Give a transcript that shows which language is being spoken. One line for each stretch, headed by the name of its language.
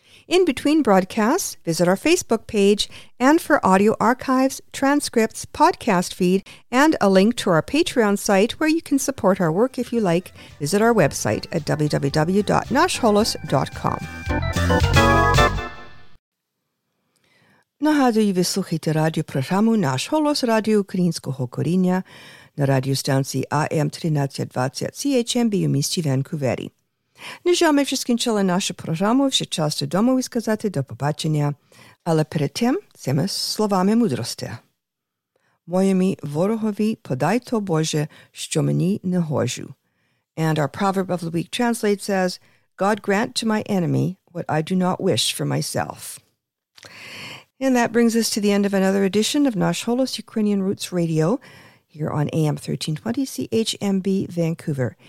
English: In between broadcasts, visit our Facebook page, and for audio archives, transcripts, podcast feed, and a link to our Patreon site where you can support our work if you like, visit our website at www.nashholos.com.
Ukrainian: Нагадую, ви слухаєте радіопрограму «Наш Голос» радіо українського коріння на радіостанції АМ 1320 CHMB у місті Ванкувері. Ніж ми вже скінчили нашу програму, вже час додому і сказати до побачення. Але перед тим, цими словами мудрості. Моєму ворогові подай то, Боже, що мені не гожу.
English: And our proverb of the week translates as, God grant to my enemy what I do not wish for myself. And that brings us to the end of another edition of Nash Holos Ukrainian Roots Radio here on AM 1320 CHMB Vancouver.